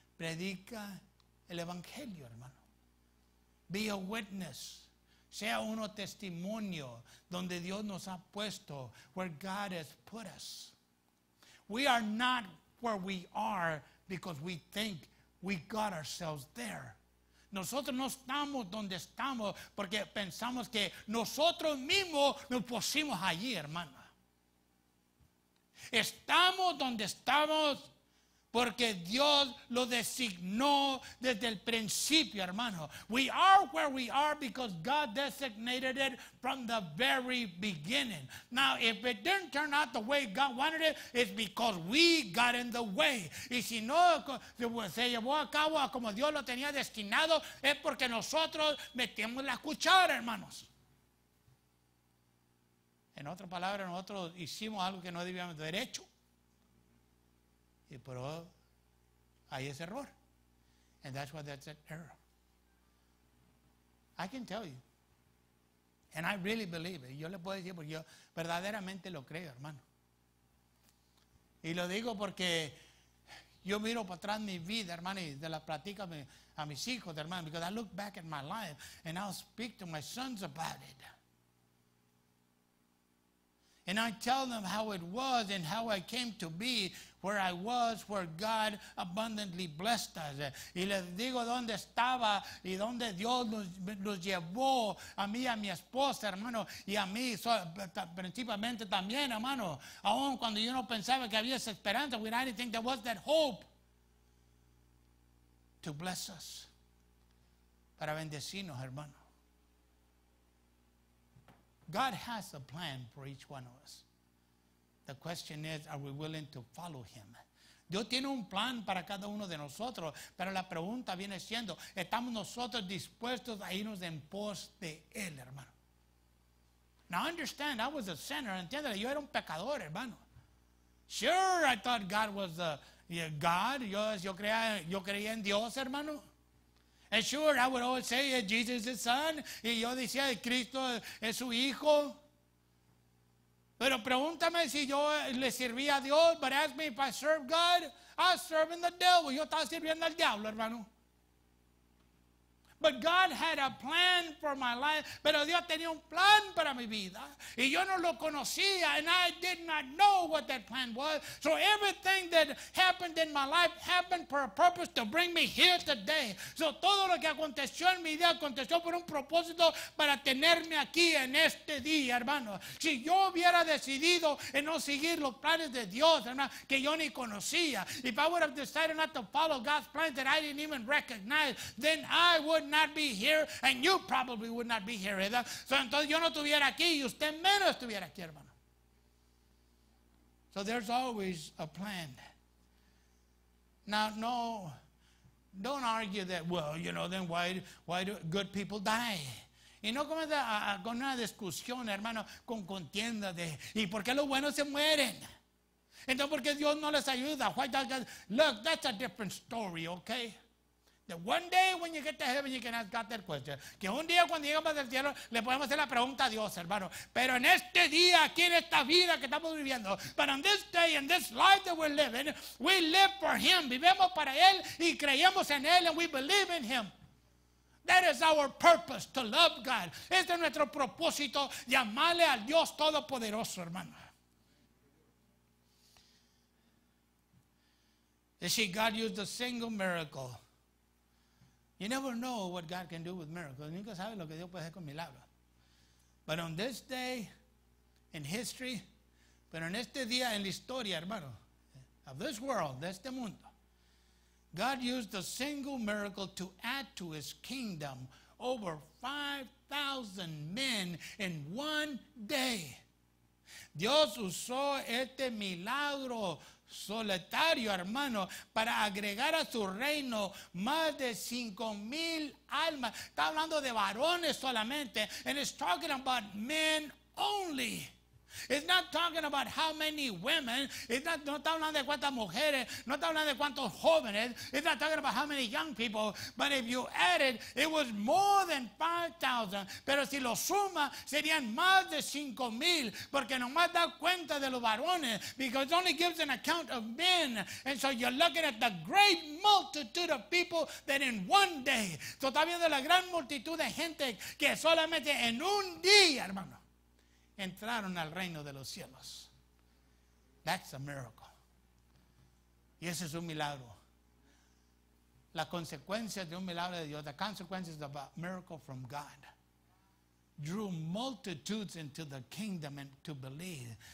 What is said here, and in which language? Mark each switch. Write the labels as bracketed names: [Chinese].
[Spanish] Predica el evangelio, hermano. [English] Be a witness. [Spanish] Sea uno testimonio donde Dios nos ha puesto, [English] where God has put us. We are not where we are because we think we got ourselves there. [Spanish] Nosotros no estamos donde estamos porque pensamos que nosotros mismos nos pusimos allí, hermana. Estamos donde estamos porque Dios lo designó desde el principio, hermano. [English] We are where we are because God designated it from the very beginning. Now, if it didn't turn out the way God wanted it, it's because we got in the way. [Spanish] Y si no se llevó a cabo como Dios lo tenía destinado, es porque nosotros metimos la cuchara, hermanos. En otra palabra, nosotros hicimos algo que no debíamos haber hecho. Y por ahí es error. [English] And that's why that's an error. I can tell you. And I really believe it. [Spanish] Yo le puedo decir porque yo verdaderamente lo creo, hermano. Y lo digo porque yo miro para atrás mi vida, hermano, y de la platico a mis hijos, hermano. [English] Because I look back at my life and I'll speak to my sons about it. And I tell them how it was and how I came to be where I was, where God abundantly blessed us. [Spanish] Y les digo dónde estaba y dónde Dios nos llevó a mí, a mi esposa, hermano, y a mí, principalmente también, hermano. Aún cuando yo no pensaba que había esa esperanza, [English] with anything, there was that hope to bless us, [Spanish] para bendecirnos, hermano. [English] God has a plan for each one of us. The question is, are we willing to follow him? [Spanish] Dios tiene un plan para cada uno de nosotros, pero la pregunta viene siendo, ¿estamos nosotros dispuestos a irnos en pos de él, hermano? [English] Now understand, I was a sinner, [Spanish] entiéndale, yo era un pecador, hermano. [English] Sure, I thought God was the God, [Spanish] yo creía en Dios, hermano. [English] And sure, I would always say, Jesus is his son. [Spanish] Y yo decía, Cristo es su hijo. Pero pregúntame si yo le servía a Dios. [English] But ask me if I serve God. I'm serving the devil. [Spanish] Yo estaba sirviendo al diablo, hermano. [English] But God had a plan for my life. [Spanish] Pero Dios tenía un plan para mi vida. Y yo no lo conocía. [English] And I did not know what that plan was. So everything that happened in my life happened for a purpose to bring me here today. [Spanish] So todo lo que aconteció en mi vida aconteció por un propósito para tenerme aquí en este día, hermano. Si yo hubiera decidido en no seguir los planes de Dios, hermano, que yo ni conocía. [English] If I would have decided not to follow God's plans that I didn't even recognize, then I would not be here and you probably would not be here either. [Spanish] So entonces yo no estuviera aquí y usted menos estuviera aquí, hermano. [English] So there's always a plan. Now no, don't argue that, well, you know, then why do good people die? [Spanish] Y no comienza con una discusión, hermano, con contienda de y por qué los buenos se mueren. Entonces porque Dios no les ayuda. [English] Why does God? Look, that's a different story, okay? That one day when you get to heaven, you can ask God that question. [Spanish] Que un día cuando llegamos al cielo, le podemos hacer la pregunta a Dios, hermano. Pero en este día, aquí en esta vida que estamos viviendo, [English] but on this day, in this life that we're living, we live for him. [Spanish] Vivemos para él y creemos en él, [English] and we believe in him. That is our purpose, to love God. [Spanish] Este es nuestro propósito, llamarle al Dios Todopoderoso, hermano. [English] You see, God used a single miracle. You never know what God can do with miracles. [Spanish] Nunca sabe lo que Dios puede hacer con milagros. [English] But on this day in history, [Spanish] pero en este día en la historia, hermano, [English] of this world, [Spanish] de este mundo, [English] God used a single miracle to add to his kingdom over 5,000 men in one day. [Spanish] Dios usó este milagro solitario, hermano, para agregar a su reino más de 5,000 almas. Está hablando de varones solamente, [English] and it's talking about men only. It's not talking about how many women. [Spanish] No está hablando de cuántas mujeres. No está hablando de cuántos jóvenes. [English] It's not talking about how many young people. But if you add it, it was more than 5,000. [Spanish] Pero si lo suma, serían más de 5,000. Porque nomás da cuenta de los varones. [English] Because it only gives an account of men. And so you're looking at the great multitude of people that in one day. [Spanish] So está viendo la gran multitud de gente que solamente en un día, hermano, entraron al reino de los cielos. [English] That's a miracle. [Spanish] Y ese es un milagro. La consecuencia de un milagro de Dios, [English] the consequences of a miracle from God, drew multitudes into the kingdom and to believe.